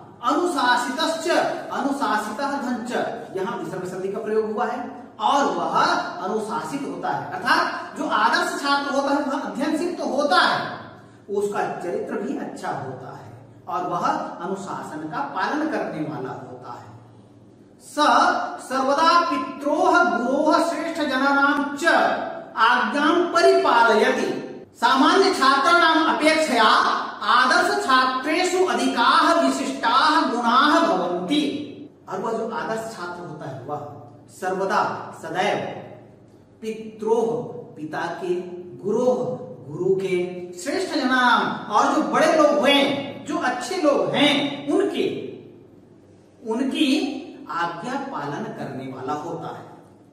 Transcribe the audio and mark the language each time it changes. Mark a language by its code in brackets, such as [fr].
[hi] अनुशासितश्च, अनुशासित धन च, यहाँ विसर्ग संधि का प्रयोग हुआ है, और वह अनुशासित होता है, अर्थात जो आदर्श छात्र होता है वह अध्ययनशील तो होता है, उसका चरित्र भी अच्छा होता है और वह अनुशासन का पालन करने वाला होता है। [sa] सा सर्वदा पित्रोह गुरोह श्रेष्ठ जनानां च आज्ञां परिपालयति, सामान्य छात्राणाम अपेक्षया आदर्श छात्रेषु अधिकाः विशिष्टाः गुणाः भवन्ति। [hi] और वह जो आदर्श छात्र होता है वह सर्वदा सदैव पित्रोह पिता के, गुरोह गुरु के, [sa] श्रेष्ठ जनानां [hi] और जो बड़े लोग हुए जो अच्छे लोग हैं उनके उनकी आज्ञा पालन करने वाला होता है।